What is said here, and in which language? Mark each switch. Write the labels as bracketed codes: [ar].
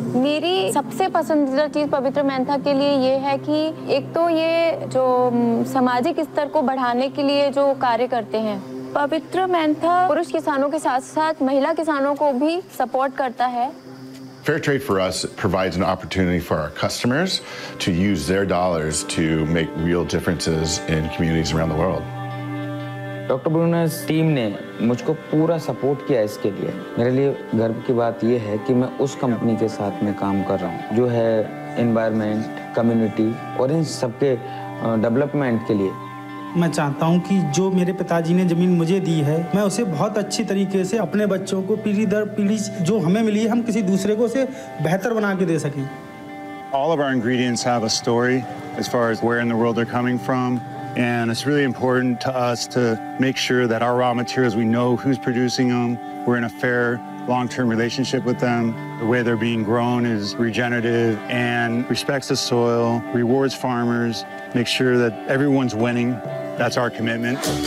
[hi] मेरी सबसे पसंदीदा चीज पवित्रमेंथ के लिए ये है कि एक तो ये जो सामाजिक स्तर को बढ़ाने के लिए जो कार्य करते हैं पवित्रमेंथ पुरुष किसानों के साथ साथ महिला किसानों को भी सपोर्ट करता है [en] Fair trade for us provides an opportunity for our customers to use their dollars to make real differences in communities around the world. [hi] Dr. Bronner's team ne mujhko pura support kiya iske liye. Mere liye garv ki baat ye hai ki main us company ke sath mein kaam kar raha hu jo hai environment, community aur in sabke development ke liye. मैं चाहता हूं कि जो मेरे पिताजी ने जमीन मुझे दी है मैं उसे बहुत अच्छी तरीके से अपने बच्चों को पीढ़ी दर पीढ़ी जो हमें मिली है हम किसी दूसरे को उसे बेहतर बना के दे सकें [en] All of our ingredients have a story as far as where in the world they're coming from and it's really important to us to make sure that our raw materials we know who's producing them we're in a fair long-term relationship with them the way they're being grown is regenerative and respects the soil rewards farmers make sure that everyone's winning that's our commitment